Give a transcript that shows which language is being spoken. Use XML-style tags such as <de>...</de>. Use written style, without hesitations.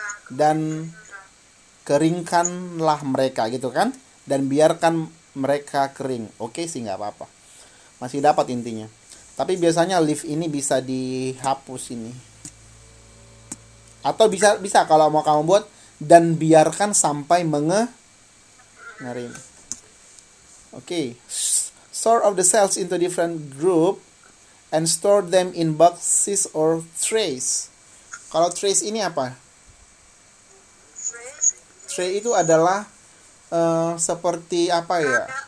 <id>Dan keringkanlah mereka gitu kan, dan biarkan mereka kering. Oke sih, nggak apa-apa, masih dapat intinya. Tapi biasanya leave ini bisa dihapus ini, atau bisa kalau mau kamu buat dan biarkan sampai mengering.</id> <en>Oke, sort of the cells into different group and store them in boxes or trays.</en> <id>Kalau trace ini apa? Trace itu adalah seperti apa ya?</id>